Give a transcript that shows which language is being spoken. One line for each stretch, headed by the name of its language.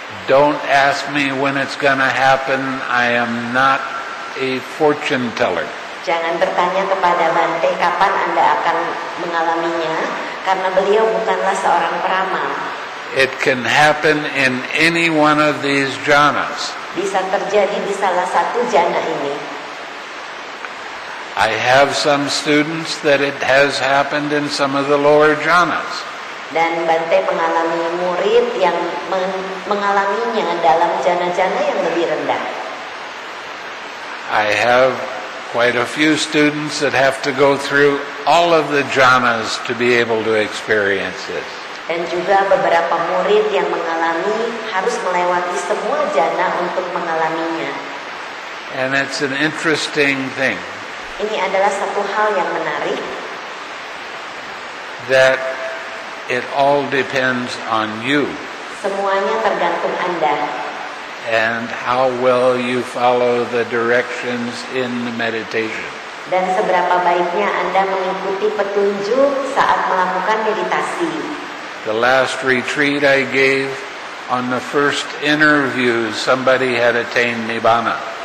English: Don't ask me when it's going to happen. I am not a fortune teller.
Indonesian: Jangan bertanya kepada Bante kapan Anda akan mengalaminya, karena beliau bukanlah seorang peramal.
English: It can happen in any one of these jhanas.
Indonesian: Bisa terjadi di salah satu jhana ini.
English: I have some students that it has happened in some of the lower jhanas.
Indonesian: Dan Bante mengalami murid yang mengalaminya dalam jhana-jhana yang lebih rendah.
English: I have quite a few students that have to go through all of the jhanas to be able to experience it.
Indonesian: Dan juga beberapa murid yang mengalami harus melewati semua jhana untuk mengalaminya.
English: And it's an interesting thing.
Indonesian: Ini adalah satu hal yang menarik.
English: That it all depends on you.
Indonesian: Semuanya tergantung Anda.
English: And how well you follow the directions in the meditation.
Indonesian: Dan seberapa baiknya Anda mengikuti petunjuk saat melakukan meditasi.
English: The last retreat I gave, on the first interview, somebody had attained Nibbana.